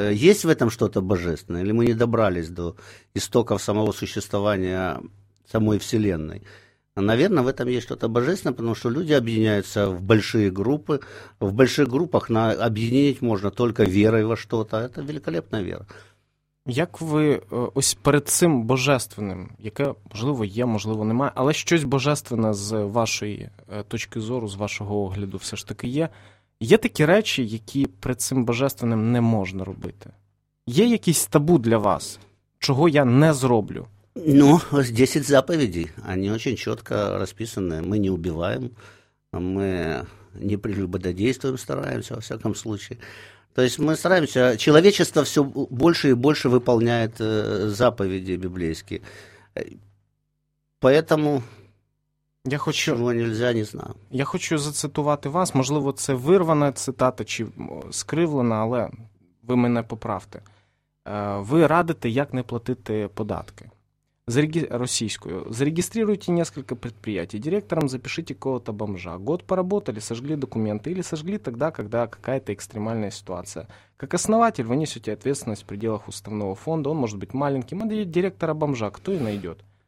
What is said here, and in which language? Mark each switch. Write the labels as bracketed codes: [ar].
[ru] Есть в этом что-то божественное, или мы не добрались до истоков самого существования самой Вселенной? Наверное, в этом есть что-то божественное, потому что люди объединяются в большие группы. В больших группах объединить можно только верой во что-то. Это великолепная вера. [uk] Як ви ось перед цим божественним, яке, можливо, є, можливо, немає, але щось божественне з вашої точки зору, з вашого огляду все ж таки є, є такі речі, які перед цим божественним не можна робити? Є якісь табу для вас, чого я не зроблю? [ru] Ну, 10 заповедей, они очень четко расписаны. Мы не убиваем, мы не прелюбодействуем, стараемся, во всяком случае. То есть мы стараемся, человечество все больше и больше выполняет заповеди библейские. Поэтому, я хочу, чего нельзя, не знаю. [uk] Я хочу зацитувати вас, можливо, це вирвана цитата, чи скривлена, але ви мене поправте. Ви радите, як не платити податки. Російською. [ru] Зарегистрируйте несколько предприятий. Директором запишите кого-то бомжа. Год поработали, сожгли документы или сожгли тогда, когда какая-то экстремальная ситуация. Как основатель вы несете ответственность в пределах уставного фонда. Он может быть маленьким. А директора бомжа кто и найдет?